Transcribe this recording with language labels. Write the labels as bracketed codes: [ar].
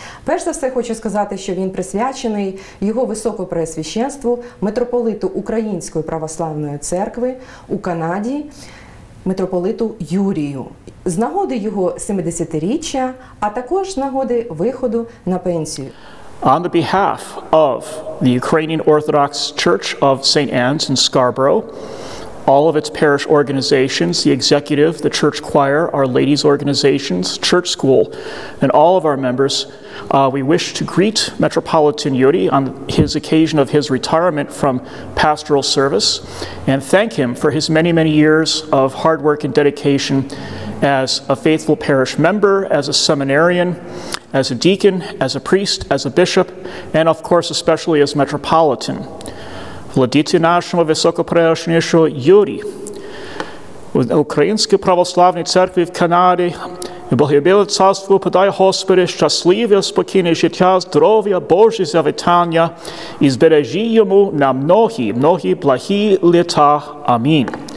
[uk] Перш за все, хочу сказати, що він присвячений Його Високопреосвященству, митрополиту Української православної церкви у Канаді, митрополиту Юрію, з нагоди його 70-річчя, а також з нагоди виходу на пенсію. [en] On the behalf of the Ukrainian Orthodox Church of St. Anne's in Scarborough, all of its parish organizations, the executive, the church choir, our ladies' organizations, church school, and all of our members, we wish to greet Metropolitan Yuri on his occasion of his retirement from pastoral service and thank him for his many, many years of hard work and dedication as a faithful parish member, as a seminarian, as a deacon, as a priest, as a bishop, and of course, especially as Metropolitan. [uk] Владіці нашому високопреосвященнішого Юрі, Української православної церкви в Канаді, Богомиле царство, подай Господи, щасливе, спокійне життя, здоров'я, Боже завітання, і збережи йому на многі, многі благі літа. Амінь.